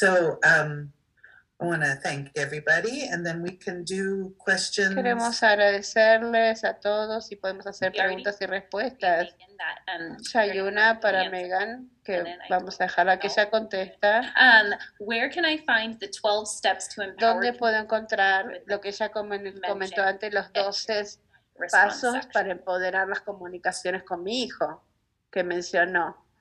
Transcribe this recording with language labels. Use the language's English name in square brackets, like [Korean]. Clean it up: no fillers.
[English] So, I want to thank everybody, and then we can do questions. [Spanish] Queremos agradecerles a todos y podemos hacer preguntas y respuestas. Ya hay una para Megan que vamos a dejarla que ella conteste. [English] Where can I find the 12 steps to empower? [Spanish] ¿Dónde puedo encontrar lo que ella comentó antes, los 12 pasos para empoderar las comunicaciones con mi hijo que mencionó?